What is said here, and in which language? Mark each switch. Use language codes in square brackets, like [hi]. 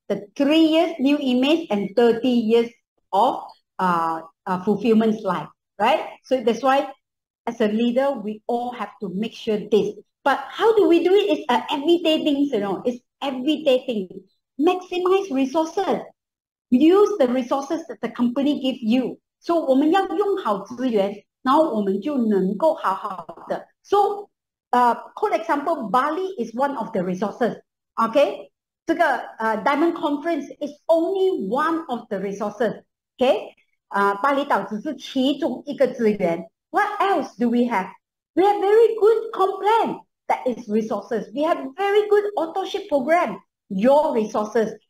[en] The 3 years new image and 30 years of fulfillment life. Right? So that's why as a leader, we all have to make sure this. But how do we do it? It's an everyday thing, you know. It's everyday thing. Maximize resources. Use the resources that the company give you. [zh] So 我们要用好资源，然后我们就能够好好的. [en] So for example, Bali is one of the resources, okay? This Diamond Conference is only one of the resources, okay? [zh] Bali Dao只是其中一个资源. [en] What else do we have? We have very good complan, that is resources. We have very good authorship program, your resources.